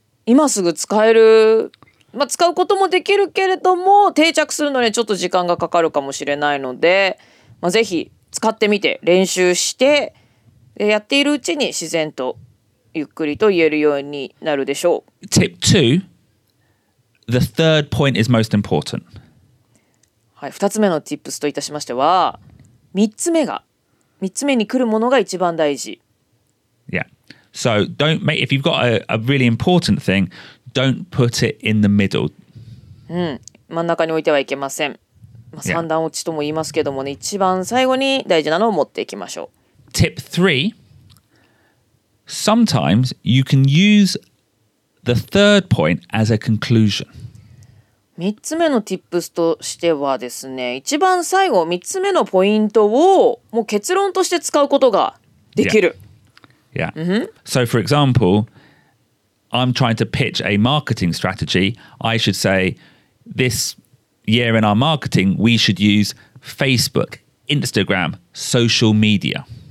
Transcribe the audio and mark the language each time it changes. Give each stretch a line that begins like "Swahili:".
Japanese: 今すぐ使える、まあ、使うこともできるけれども定着するのにちょっと時間がかかるかもしれないので、まあ、ぜひ使ってみて練習して、でやっているうちに自然とゆっくりと言えるようになるでしょう。
English: Tip 2 The third point is most important、
Japanese: はい、2つ目の Tips といたしましては、3つ目に来るものが一番大事。
English: Yeah. So don't make, if you've got a really important thingDon't put it in the middle.
Japanese: 真ん中に置いてはいけません。まあ、三段落ちとも言いますけどもね、一番最後に大事なのを持っていきましょう。
English: Tip 3. Sometimes you can use the third point as a conclusion.
Japanese: 三つ目のティップスとしてはですね、一番最後、三つ目のポイントをもう結論として使うことができる。
English: Yeah. Yeah. So for example,I'm trying to pitch a marketing strategy. I should say, this year in our marketing, we should use Facebook, Instagram, social media.